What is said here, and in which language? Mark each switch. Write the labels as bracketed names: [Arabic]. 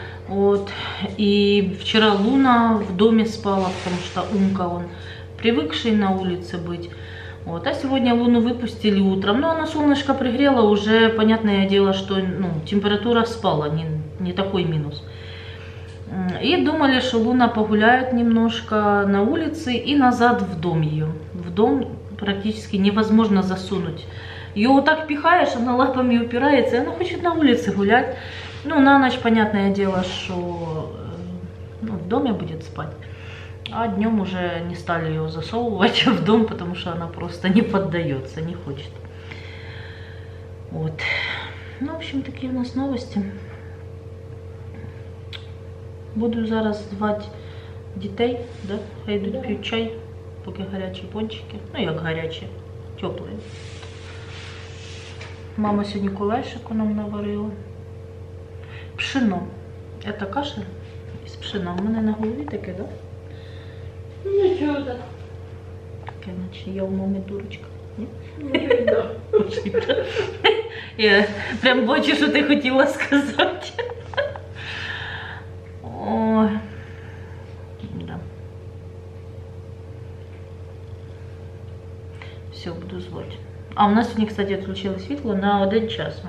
[Ukrainian] От, і вчора Луна в домі спала, тому що Умка, він привикший на вулиці бути. От, а сьогодні Луну випустили утром. Ну, вона сонечко пригріла, вже, понятне діло, що ну, температура спала, не такий мінус. І думали, що Луна погуляє немножко на вулиці і назад в дом її. В дом практично невозможно засунути. Його так піхає, що вона лапами упирається, і вона хоче на вулиці гуляти. [Russian] Ну, на ночь, понятное дело, что ну, в доме будет спать. А днем уже не стали ее засовывать в дом, потому что она просто не поддается, не хочет. Вот. Ну, в общем, такие у нас новости. Буду зараз звать детей, да? Идут пьют чай, пока горячие пончики. Ну, как горячие, теплые. Мама сегодня кулешек нам наварила. Пшено. Это каша из пшена. У меня на голове таке, да? Ничего, да. Таке, значит, я у мамы дурочка. [Ukrainian] Ні? Ні, да. Я прям бачу, що ти хотіла сказати. Да. Все, буду звати. А у нас сьогодні, кстати, відключили світло на один час.